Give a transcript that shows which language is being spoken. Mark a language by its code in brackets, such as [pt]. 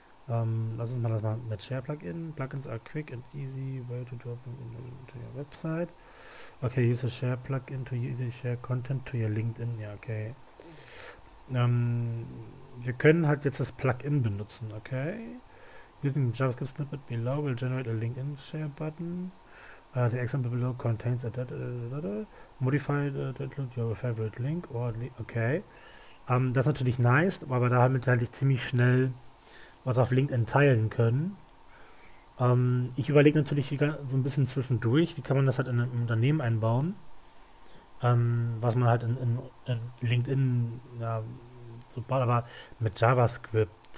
[de] Lass uns mal das mal mit Share Plugin. [en] Plugins are quick and easy way to drop them into your website. Okay, use a Share Plugin to easily share content to your LinkedIn. Ja, okay. [de] Wir können halt jetzt das Plugin benutzen, okay? [en] Using JavaScript Snippet below will generate a LinkedIn Share Button. The example below contains a data. Modify the include your favorite link or link. Okay. [de] Das ist natürlich nice, aber da haben wir halt ziemlich schnell was auf LinkedIn teilen können. Ich überlege natürlich so ein bisschen zwischendurch, wie kann man das halt in einem Unternehmen einbauen, was man halt in LinkedIn, ja, so baut, aber mit JavaScript.